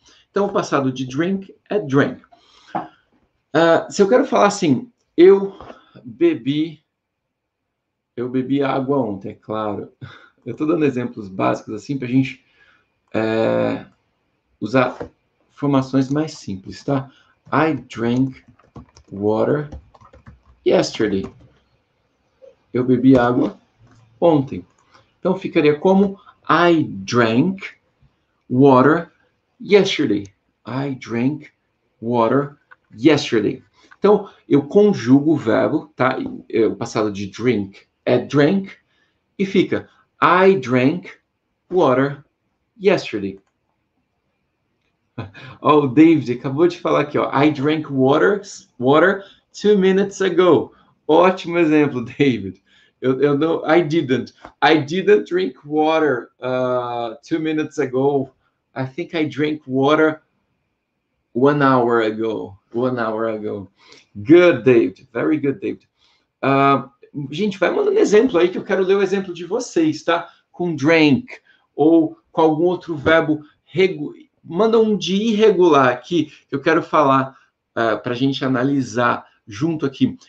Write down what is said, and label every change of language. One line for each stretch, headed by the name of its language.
Portuguese: Então, o passado de drink é drank. Se eu quero falar assim, eu bebi água ontem, é claro. Eu estou dando exemplos básicos assim para a gente usar formações mais simples, tá?
English: I drank water yesterday.
Portuguese: Eu bebi água ontem. Então ficaria como
English: I drank water yesterday. I drank water yesterday.
Portuguese: Então eu conjugo o verbo, tá? O passado de drink é drank e fica
English: I drank water yesterday.
Portuguese: Oh, David acabou de falar aqui, ó.
English: I drank water 2 minutes ago.
Portuguese: Ótimo exemplo, David. Eu não,
English: I didn't. I didn't drink water 2 minutes ago. I think I drank water 1 hour ago. 1 hour ago. Good, David. Very good, David.
Portuguese: Gente, vai mandando exemplo aí que eu quero ler o exemplo de vocês, tá? Com drank ou com algum outro verbo regular. Manda um de irregular aqui, que eu quero falar para a gente analisar junto aqui.